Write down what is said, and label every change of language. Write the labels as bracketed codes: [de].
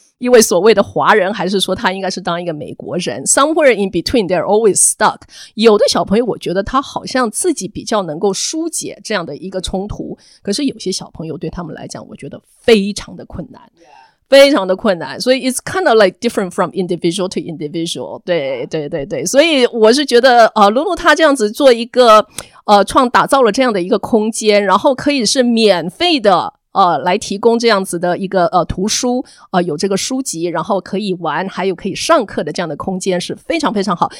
[zh] 一位所谓的华人，还是说他应该是当一个美国人。 [en] Somewhere in between they're always stuck。 [zh] 有的小朋友我觉得他好像自己比较能够疏解这样的一个冲突，可是有些小朋友对他们来讲我觉得非常的困难，非常的困难。 [en] 所以 it's kind of like different from individual to individual。 [zh] 对对对对，所以我是觉得露露他这样子做一个创打造了这样的一个空间，然后可以是免费的来提供这样子的一个图书，有这个书籍，然后可以玩，还有可以上课的这样的空间，是非常非常好。